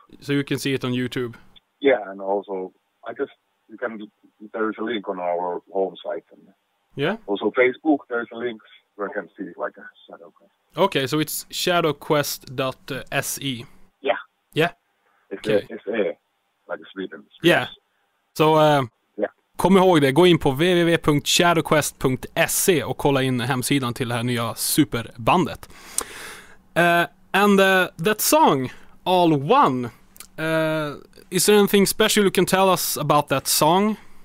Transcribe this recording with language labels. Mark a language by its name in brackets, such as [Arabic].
[English] So you can see it on YouTube? Yeah, and also, I guess, you can... There is a link on our home site. And yeah? Also, Facebook, there is a link where you can see, like, a Shadow Quest. Okay, so it's shadowquest.se. Yeah. Yeah? Okay. S-E, like a Sweden. Yeah. [Swedish] So, kom ihåg det, gå in på www.shadowquest.se och kolla in hemsidan till det här nya superbandet. [English] That song, All One, is there anything special you can tell us about that song?